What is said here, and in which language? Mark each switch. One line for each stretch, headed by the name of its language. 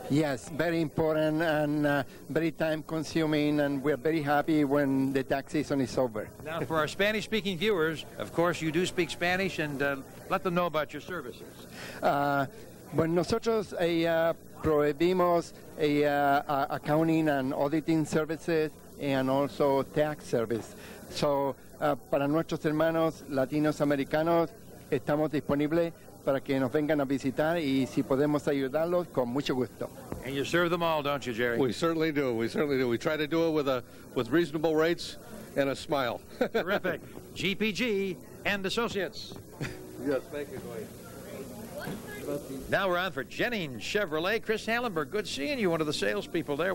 English: Yes, very important and very time-consuming, and we're very happy when the tax season is over. Now, for our Spanish-speaking viewers, of course, you do speak Spanish, and let them know about your services.
Spanish: Bueno, nosotros proveemos
English: accounting and auditing services and also tax service.
Spanish: So, para nuestros hermanos latinos americanos, estamos disponibles para que nos vengan a visitar y si podemos ayudarlos, con mucho gusto.
English: And you serve them all, don't you, Jerry? We certainly do. We certainly do. We try to do it with reasonable rates and a smile. Terrific. GPG and Associates. Yes, thank you, Dwayne. Now we're on for Jennings Chevrolet. Chris Hallenberg, good seeing you, one of the salespeople there.